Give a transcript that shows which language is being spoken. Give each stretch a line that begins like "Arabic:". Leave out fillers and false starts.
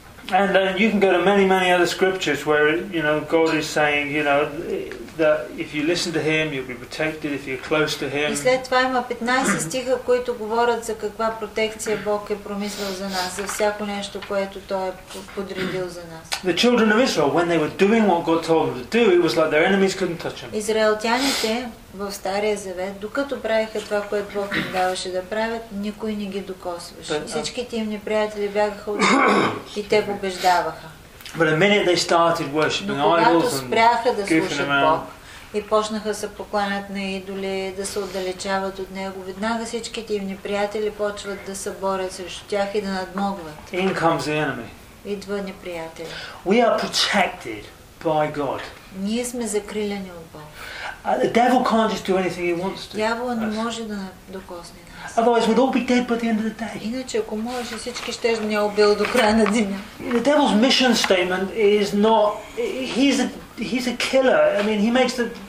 English: And then you can go to many, many other scriptures where, you know, God is saying, you know, that if you listen to Him, you'll be protected. If you're close to Him.
Bulgarian: И след това има 15 стиха, които говорят за каква протекция Бог е промислил за нас, за всяко нещо, което Той е подредил за нас.
English: The children of Israel, when they were doing what God told them to do, it was like their enemies couldn't touch them.
Bulgarian: Израелтяните в Стария Завет, докато правиха това, което Бог им даваше да правят, никой не ги докосваше. Всичките им неприятели бягаха от тях и те побеждаваха.
English: But the minute they started worshiping idols and goofing around,
Bulgarian: и почнаха се покланят на идоли, да се отдалечават от него, веднага всичките им неприятели почват да се борят срещу тях и да надмогват.
English: In comes the enemy.
Bulgarian: Идва неприятели.
English: We are protected by God.
Bulgarian: Ние сме закрилени от Бог.
English: The devil can't just do anything he wants to.
Bulgarian: Дявола не може да докосне нас.
English: Otherwise, we'd all be dead by the end of the day.
Bulgarian: Иначе ако можеше, всички щеше да ни убил до края на деня.
English: The devil's mission statement is not. He's a killer. I mean, he makes the.